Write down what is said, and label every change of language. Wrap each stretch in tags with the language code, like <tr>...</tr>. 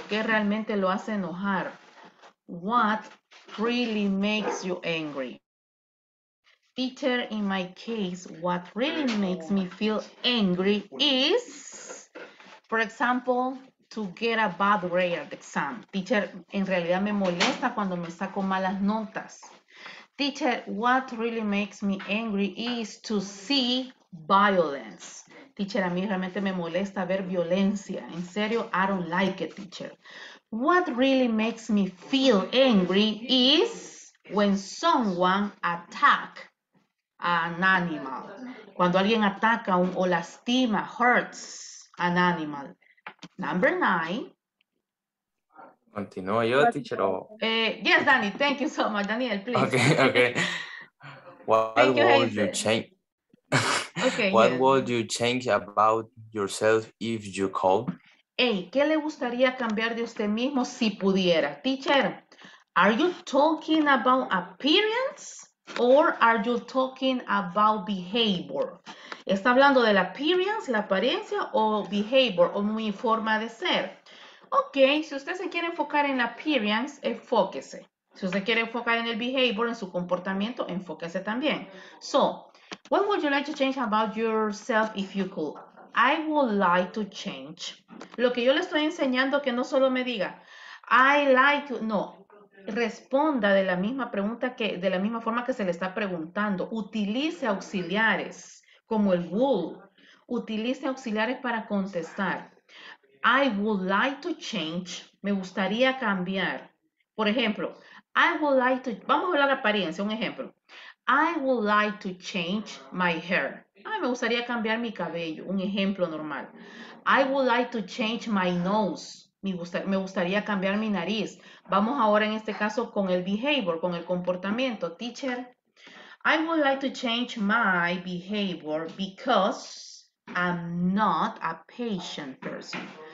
<es>¿O qué realmente lo hace enojar?</es> <en>What really makes you angry? Teacher, in my case, what really makes me feel angry is, for example, to get a bad grade at the exam.</en> <es>Teacher, en realidad me molesta cuando me saco malas notas.</es> <en>Teacher, what really makes me angry is to see violence.</en> <es>Teacher, a mí realmente me molesta ver violencia. En serio,</es> <en>I don't like it, teacher. What really makes me feel angry is when someone attacks an animal.</en> <es>Cuando alguien ataca o lastima,</es> <en>hurts an animal. Number nine.</en> <es>Continúo yo, teacher.</es> <en>Yes, Dani. Thank you so much, Daniel. Please. Okay. What would you change? Okay, what would you change about yourself if you could?</en> <es>Hey, ¿qué le gustaría cambiar de usted mismo si pudiera?</es> <en>Teacher, are you talking about appearance or are you talking about behavior?</en> <es>¿Está hablando de la appearance, la apariencia, o behavior, o mi forma de ser? Ok, si usted se quiere enfocar en la appearance, enfóquese. Si usted quiere enfocar en el behavior, en su comportamiento, enfóquese también.</es> <en>So, what would you like to change about yourself if you could? I would like to change.</en> <es>Lo que yo le estoy enseñando, que no solo me diga,</es> <en>I like to,</en> <es>no. Responda de la misma pregunta, que de la misma forma que se le está preguntando. Utilice auxiliares, como el would. Utilice auxiliares para contestar.</es> <en>I would like to change.</en> <es>Me gustaría cambiar. Por ejemplo,</es> <en>I would like to,</en> <es>vamos a hablar de apariencia, un ejemplo.</es> <en>I would like to change my hair.</en> <es>Ay, me gustaría cambiar mi cabello. Un ejemplo normal.</es> <en>I would like to change my nose.</en> <es>Me gustaría cambiar mi nariz. Vamos ahora en este caso con el behavior, con el comportamiento.</es> <en>Teacher, I would like to change my behavior because I'm not a patient person.</en>